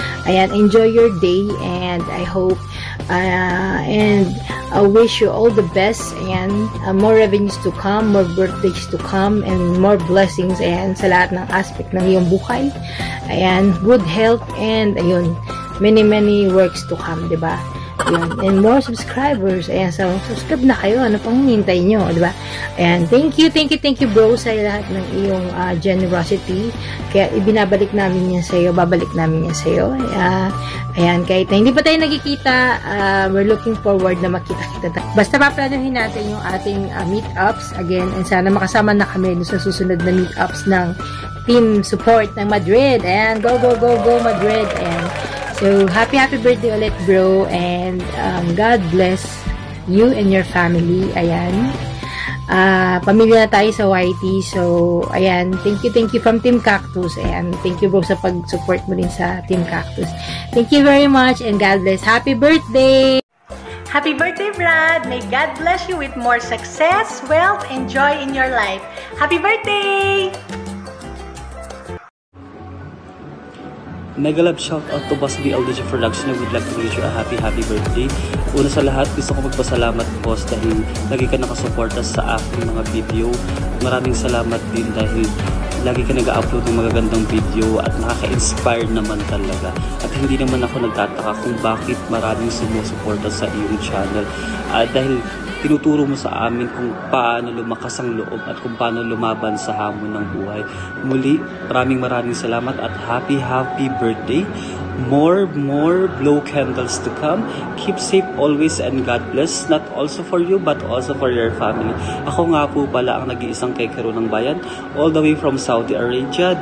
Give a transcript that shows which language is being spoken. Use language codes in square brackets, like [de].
[en] Ayan, enjoy your day, and I hope and I wish you all the best, and more revenues to come, more birthdays to come, and more blessings, and [tl] sa lahat ng aspect ng iyong buhay. [en] Ayan, good health, and ayun, many works to come, diba? [tl] Yun. [en] And more subscribers. [tl] Ayan, so subscribe na kayo. Ano pang hinihintay nyo, di ba? [en] And thank you, bro, [tl] sa lahat ng iyong [en] generosity. [tl] Kaya ibinabalik namin yan sa'yo, babalik namin yan sa'yo. Ayan, kahit na hindi pa tayo nagkikita, [en] we're looking forward [tl] na makita-kita. Basta paplanuhin natin yung ating meetups again. And sana makasama na kami sa susunod na meetups ng team support ng Madrid. [en] Ayan, go, Madrid. And so, happy birthday ulit, bro. And God bless you and your family. Ayan. [tl] Pamilya na tayo sa YT. So, ayan. [en] Thank you from Team Cactus. [tl] Ayan. [en] Thank you, bro, [tl] sa pag-support mo rin sa [en] Team Cactus. Thank you very much. And God bless. Happy birthday! Happy birthday, Brad! May God bless you with more success, wealth, and joy in your life. Happy birthday! Mega love shout out to Boss BLDG Production. We'd like to wish you a happy birthday. [tl] Una sa lahat, gusto ko magpasalamat, Boss, dahil lagi ka nakasuporta sa aking mga video. Maraming salamat din dahil lagi ka nag-upload ng magagandang video at nakaka-inspire naman talaga. At hindi naman ako nagtataka kung bakit maraming sumusuporta sa iyong channel. Dahil tinuturo mo sa amin kung paano lumakas ang loob at kung paano lumaban sa hamon ng buhay. Muli, maraming salamat at [en] happy birthday. More blow candles to come. Keep safe always and God bless. Not also for you but also for your family. [tl] Ako nga po pala ang nag-iisang kekero ng bayan all the way from Saudi Arabia.